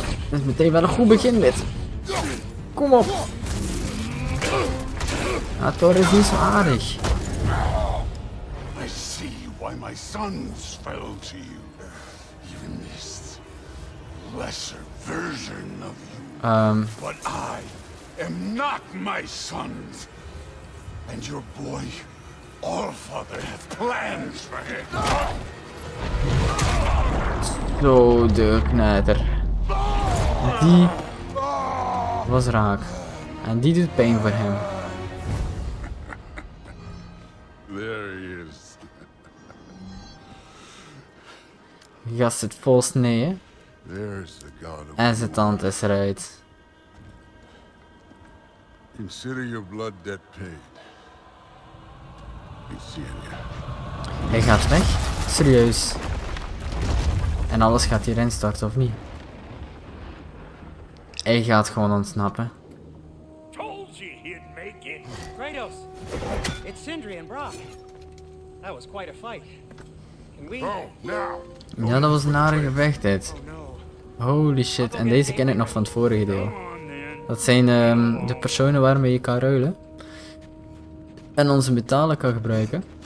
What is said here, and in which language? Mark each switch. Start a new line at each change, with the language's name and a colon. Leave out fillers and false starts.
Dutch: Dit is meteen wel een goed begin, dit. Kom op. Ja, THOR is niet zo aardig.
English: I see why my sons fell to you. Even this lesser version of you. But I am not my sons. And your boy, Allfather, has plans for him.
Dutch: Zo, de knetter. Die was raak. En die doet pijn voor hem.
English: There he is.
Dutch: Gast zit vol sneeën.
English: There's the god of
Dutch: en zijn tand is eruit.
English: Consider your blood debt paid.
Dutch: Hij gaat weg? Serieus. En alles gaat hierin starten, of niet? Hij gaat gewoon ontsnappen.
English: Told you he'd make it. Kratos, it's Sindri and Brock. That was quite a fight. Can we...
Dutch: Ja, dat was een nare gevecht, dit.
English: Holy shit,
Dutch: en deze ken ik nog van het vorige deel. Dat zijn de personen waarmee je kan ruilen. En onze metalen kan gebruiken.